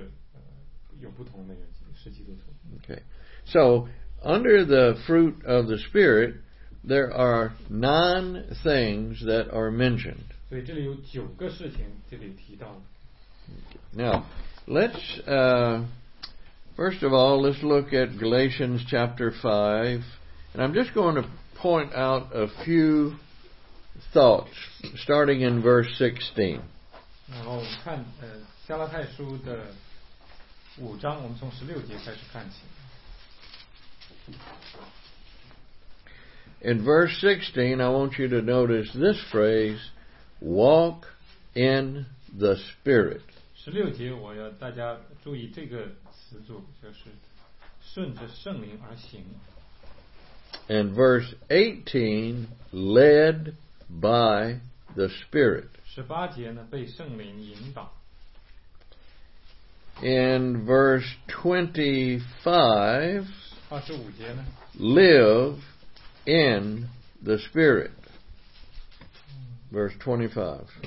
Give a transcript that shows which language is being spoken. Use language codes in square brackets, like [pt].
[zh] 所以当我们是基督徒的时候，我们总是在外在会有一些果子，会有一些显明的证据，让别人看得见呢，我们就是有不同的人，是基督徒。 [en] Okay. So, under the fruit of the Spirit, there are 9 things that are mentioned. [zh] 所以这里有九个事情这里提到了。 [en] Now, let's, first of all, let's look at Galatians chapter 5. And I'm just going to point out a few thoughts, starting in verse 16. [zh] 然后我们看, 加拉太书的5章, 我们从16节开始看起。 [en] In verse 16, I want you to notice this phrase, walk in the Spirit. [zh] 16节我要大家注意这个词组, 就是顺着圣灵而行。 [en] And verse 18, led by the Spirit. [zh] 18节呢, 被圣灵引导。 [en] In verse 25, [zh] 25节呢, [en] live in the Spirit. Verse 25.